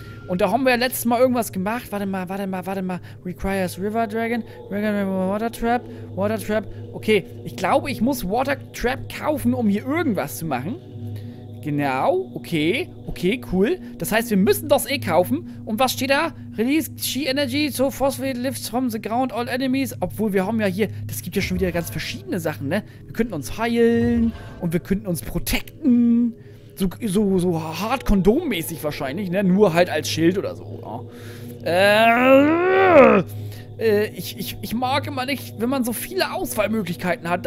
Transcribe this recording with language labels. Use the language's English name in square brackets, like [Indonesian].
[German] Und da haben wir ja letztes Mal irgendwas gemacht. Warte mal. [English] Requires River Dragon. Water Trap. Water Trap. [German] Okay, ich glaube, ich muss Water Trap kaufen, um hier irgendwas zu machen. Genau. Okay, cool. Das heißt, wir müssen das eh kaufen. Und was steht da? [English] Release Chi Energy so Phosphate lifts from the ground all enemies. [German] Obwohl, wir haben ja hier, das gibt ja schon wieder ganz verschiedene Sachen, ne? Wir könnten uns heilen und wir könnten uns protecten. So hart kondommäßig wahrscheinlich, ne? Nur halt als Schild oder so, ja. Ich mag immer nicht, wenn man so viele Auswahlmöglichkeiten hat.